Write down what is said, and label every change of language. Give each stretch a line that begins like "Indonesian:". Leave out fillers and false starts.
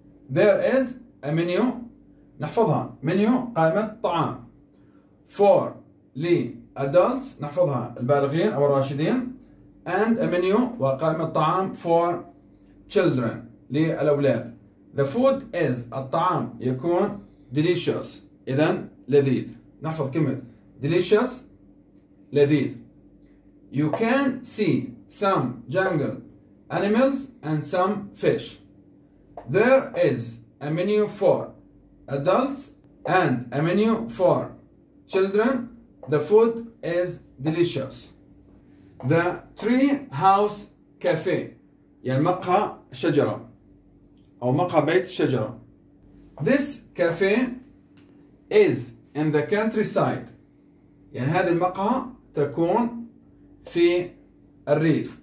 English: There is a menu,
Arabic: نحفظها, menu, قائمة طعام, for, لي, adults, نحفظها البالغين أو الراشدين, and a menu, وقائمة طعام,
English: for children,
Arabic: للأولاد.
English: The food is,
Arabic: الطعام يكون delicious, إذن لذيذ. نحفظ كلمة delicious, لذيذ.
English: You can see some jungle animals and some fish. There is a menu for adults and a menu for children. The food is delicious. The tree house cafe,
Arabic: يعني مقهى شجرة أو مقهى بيت شجرة.
English: This cafe is in the countryside.
Arabic: يعني هذه المقهى تكون في الريف.